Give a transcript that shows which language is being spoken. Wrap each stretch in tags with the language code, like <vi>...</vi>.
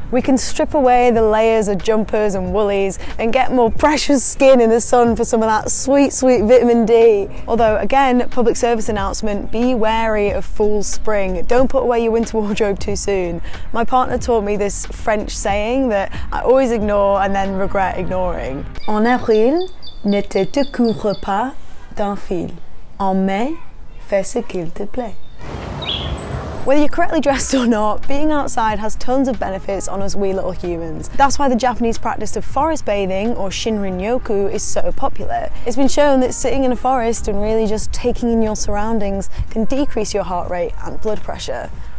<en>We can strip away the layers of jumpers and woolies and get more precious skin in the sun for some of that sweet, sweet vitamin D. Although, again, public service announcement, be wary of Fool's Spring. Don't put away your winter wardrobe too soon. My partner taught me this French saying that I always ignore and then regret ignoring.</en> <fr>En avril, ne te découvre pas d'un fil. En mai, fais ce qu'il te plaît.</fr> <en>Whether you're correctly dressed or not, being outside has tons of benefits on us wee little humans. That's why the Japanese practice of forest bathing, or Shinrin-yoku, is so popular. It's been shown that sitting in a forest and really just taking in your surroundings can decrease your heart rate and blood pressure.</en>